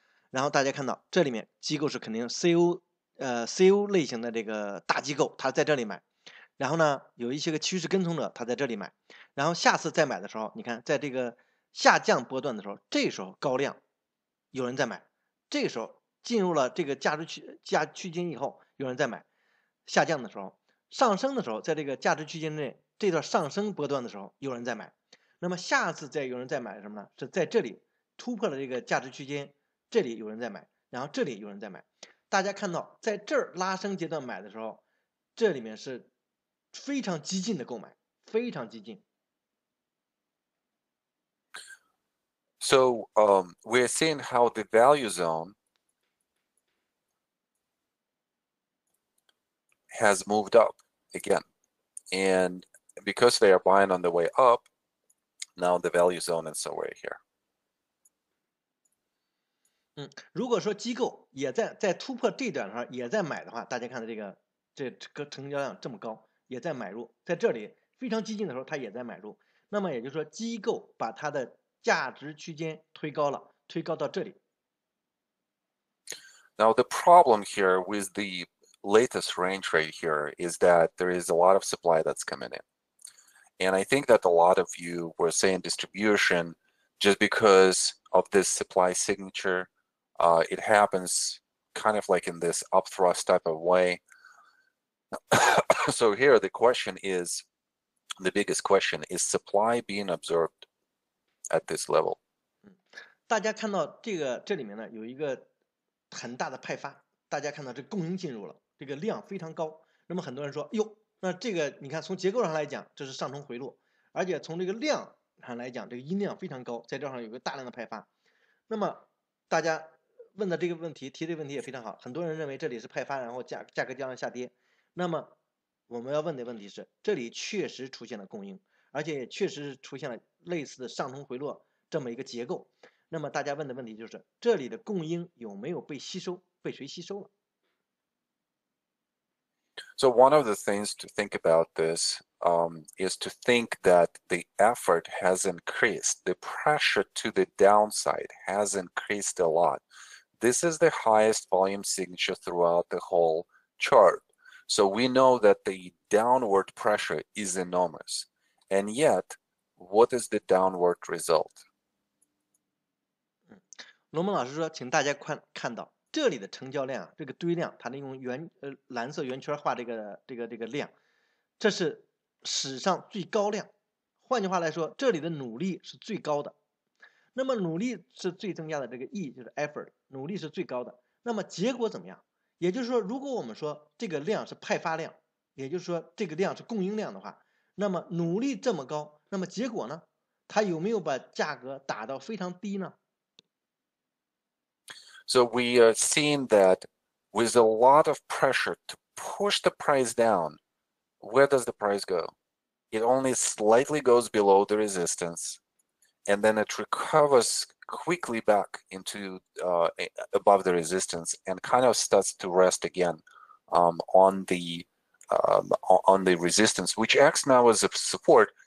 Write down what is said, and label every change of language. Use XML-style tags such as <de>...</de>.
<zh>然后大家看到这里面机构是肯定 CO 类型的这个大机构，他在这里买，然后呢有一些个趋势跟从者他在这里买，然后下次再买的时候，你看在这个下降波段的时候，这时候高量有人在买，这个时候进入了这个价值区间以后有人在买，下降的时候，上升的时候，在这个价值区间内这段上升波段的时候有人在买，那么下次再有人在买什么呢？是在这里突破了这个价值区间，这里有人在买，然后这里有人在买，大家看到在这儿拉升阶段买的时候，这里面是非常激进的购买，非常激进。</zh> <en>So we're seeing how the value zone has moved up again. And because they are buying on the way up, now the value zone is somewhere here.</en> <zh>如果说机构也在突破这段上也在买的话，大家看到这个成交量这么高，也在买入，在这里非常激进的时候它也在买入，那么也就是说机构把它的价值区间推高了，推高到这里。</zh> <en>Now the problem here with the latest range right here is that there is a lot of supply that's coming in. And I think that a lot of you were saying distribution just because of this supply signature. It happens kind of like in this upthrust type of way. So here the question is, the biggest question, is supply being absorbed at this level?</en> <zh>大家看到这里面呢有一个很大的派发，大家看到这供应进入了，这个量非常高，那么很多人说，哟，那这个你看从结构上来讲，这是上冲回落，而且从这个量上来讲，这个阴量非常高，在这上有个大量的派发，那么大家问的这个问题，提这个问题也非常好，很多人认为这里是派发，然后价格将来下跌，那么我们要问的问题是，这里确实出现了供应，而且也确实出现了类似的上冲回落这么一个结构，那么大家问的问题就是，这里的供应有没有被吸收，被谁吸收了？</zh> <en>So one of the things to think about this is to think that the effort has increased, the pressure to the downside has increased a lot. This is the highest volume signature throughout the whole chart. So we know that the downward pressure is enormous. And yet, what is the downward result?</en> <zh>龙门老师说，请大家看到。这里的成交量，这个堆量，它用蓝色圆圈画这个量，这是史上最高量。换句话来说，这里的努力是最高的。那么努力是最增加的，这个 E 就是 effort， 努力是最高的。那么结果怎么样？也就是说，如果我们说这个量是派发量，也就是说这个量是供应量的话，那么努力这么高，那么结果呢？它有没有把价格打到非常低呢？</zh> <en>So we are seeing that with a lot of pressure to push the price down, where does the price go? It only slightly goes below the resistance, and then it recovers quickly back into above the resistance and kind of starts to rest again on the resistance, which acts now as a support.</en>